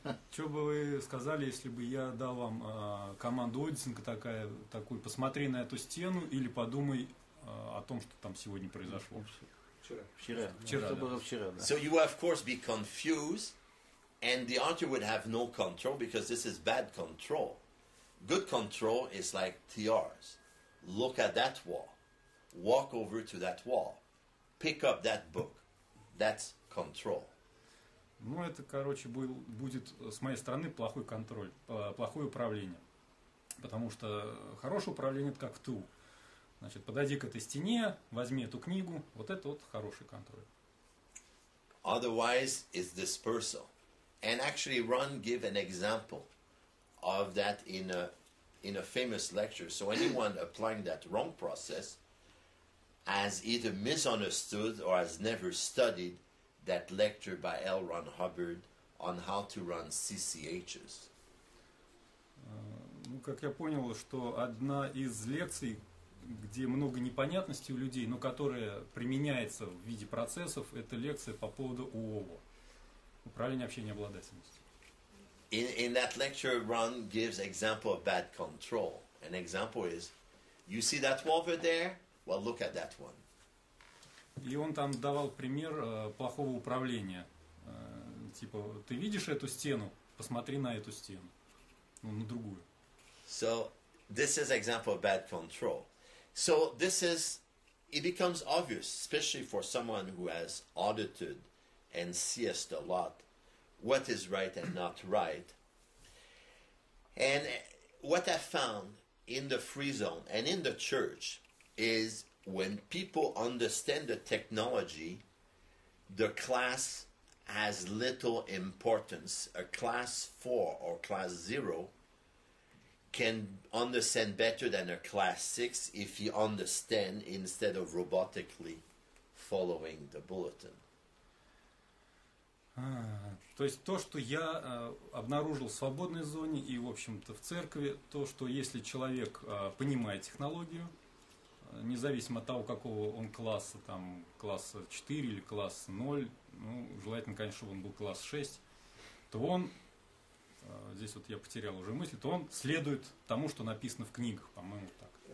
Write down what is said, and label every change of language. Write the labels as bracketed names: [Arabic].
[Russian] Что бы вы сказали, если бы я дал вам команду Одисинга такая, такую, посмотри на эту стену или подумай о том, что там сегодня произошло? Вчера. [English] So you would, of course, be confused, and the answer would have no control, because this is bad control. Good control is like TRs. Look at that wall. Walk over to that wall. Pick up that book. That's control. [Russian] Ну, это, короче, будет с моей стороны плохой контроль, плохое управление. Потому что хорошее управление – это как в ТУ. Значит, подойди к этой стене, возьми эту книгу. Вот это вот хороший контроль. [English] Otherwise, it's dispersal. And actually, Ron gave an example of that in a famous lecture. So anyone applying that wrong process has either misunderstood or has never studied that lecture by L. Ron Hubbard on how to run CCHs. [Russian] Ну, как я понял, что одна из лекций, где много непонятностей у людей, но которая применяется в виде процессов, это лекция по поводу УОВО, управления общения обладательности. [English] In that lecture, Ron gives example of bad control. An example is, you see that wall over there? Well, look at that one. [Russian] И он там давал пример плохого управления. Типа, ты видишь эту стену? Посмотри на эту стену. Ну, на другую. [English] So, this is an example of bad control. So, this is, it becomes obvious, especially for someone who has audited and CS'd a lot, what is right and not right. And what I found in the free zone and in the church is, when people understand the technology, the class has little importance. A class 4 or class 0 can understand better than a class 6 if you understand instead of robotically following the bulletin. [Russian] То есть то, что я обнаружил в свободной зоне и, в общем-то, в церкви, то, что если человек понимает технологию, независимо от того, какого он класса, там, класса 4 или класса 0, ну, желательно, конечно, чтобы он был класс 6, то он, здесь вот я потерял уже мысль, то он следует тому, что написано в книгах, по-моему, так.